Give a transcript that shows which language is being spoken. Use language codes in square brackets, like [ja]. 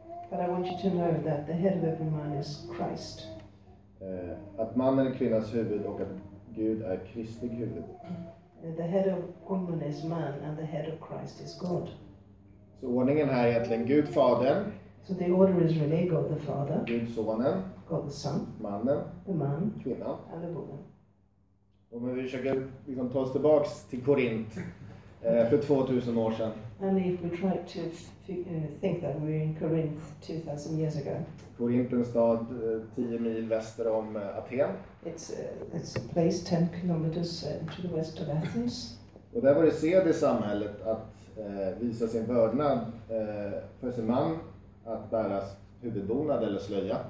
[en] But I want you to know that the head of every man is Christ. [sv] Att mannen är kvinnans huvud och att Gud är Kristi huvud. [en] The head of woman is man and the head of Christ is God. [sv] Så ordningen här är egentligen Gud Fadern. [en] So the order is really God the Father, [sv] Gud sonen, [en] God the Son, [sv] mannen, [en] the man, [sv] kvinnan, [en] and the woman. [sv] Och vi försöker liksom ta oss tillbaks till Korinth för 2000 år sedan. [en] And if we try to think that we're in Corinth 2000 years ago. [sv] Korinth är en stad 10 mil väster om Aten. [en] It's a place 10 kilometers to the west of Athens. [sv] Och där var det sed i samhället att visa sin vördnad för sin man. Att bära huvudbonad eller slöja.